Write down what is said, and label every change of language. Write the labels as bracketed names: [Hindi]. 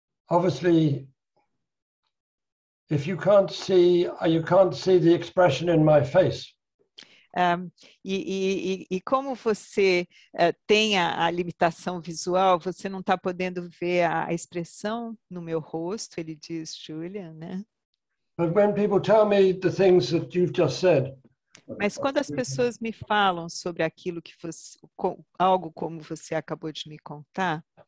[English] Obviously, if you can't see, you can't see the expression in my face. [Portuguese] E como você tem a limitação visual, você não está podendo ver a expressão no meu rosto, ele diz, Julian, né? [English] But when people tell me the things that you've just said. [Portuguese] Mas quando as pessoas me falam sobre aquilo que você, algo como você acabou de me contar.